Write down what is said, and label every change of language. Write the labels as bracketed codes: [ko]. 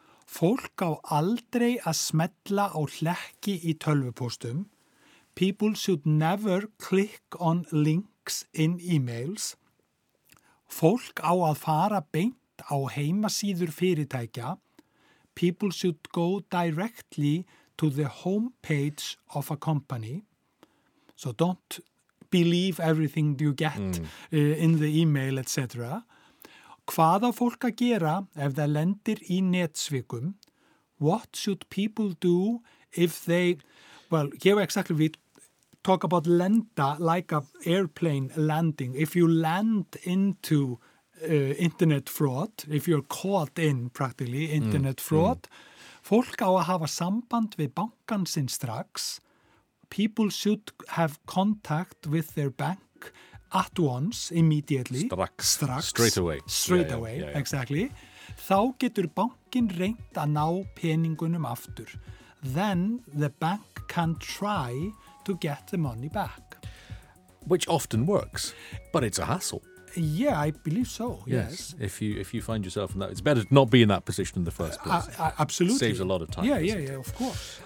[is] Fólk á aldrei að smetla á hlekki í tölvupóstum. [en] People should never click on links in emails. [is] Fólk á að fara beint á heimasíður fyrirtækja. [en] People should go directly to the homepage of a company. So don't believe everything you get in the email, etc. [is] Hvað á fólk að gera ef það lendir í netsvikum? [en] What should people do if they... Well, here exactly we talk about lenda, like an airplane landing. If you land into internet fraud, if you're caught in, practically, internet fraud, fólk á að hafa samband við bankan sinn strax. People should have contact with their bank at once, immediately. Strax. Straight away. Straight away, exactly. [is] Þá getur bankin reynt að ná peningunum aftur. [en] Then the bank can try to get the money back. Which often works, but it's a hassle. Yeah, I believe so, yes. If you find yourself in that, it's better to not be in that position in the first place. Absolutely. Saves a lot of time. Yeah, of course.